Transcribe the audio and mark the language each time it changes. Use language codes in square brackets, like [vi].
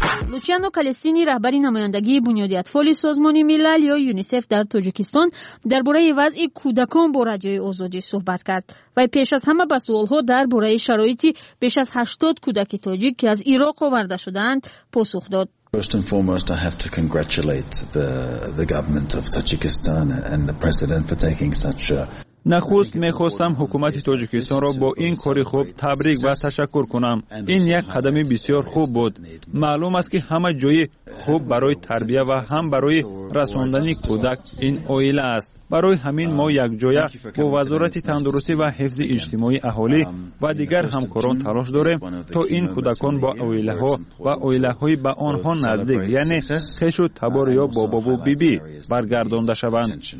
[fa] لوچیانو کالستینی رهبری نمایندگی بنیاد اطفال سازمان ملل یا یونیسف در تاجیکستان درباره وضع کودکان با رادیوی آزادی صحبت کرد و پیش از همه به سوال‌ها درباره شرایطی بیش از 80 کودک تاجیک که از عراق آورده شده‌اند پاسخ داد. [en] First and foremost, I have to congratulate the government of Tajikistan and the president for taking such a [fa] نخست می‌خواستم حکومت تاجیکستان را با این کار خوب تبریک و تشکر کنم. این یک قدم بسیار خوب بود. معلوم است که همه جای خوب برای تربیت و هم برای رساندن کودک این آیله است. برای همین ما یک جای با وزارت تندرستی و حفظ اجتماعی اهالی و دیگر همکاران تلاش داریم تا این کودکان با آیله ها و آیله های با آنها نزدیک، یعنی خیش و تبار یا بابا و بیبی برگردانده شوند.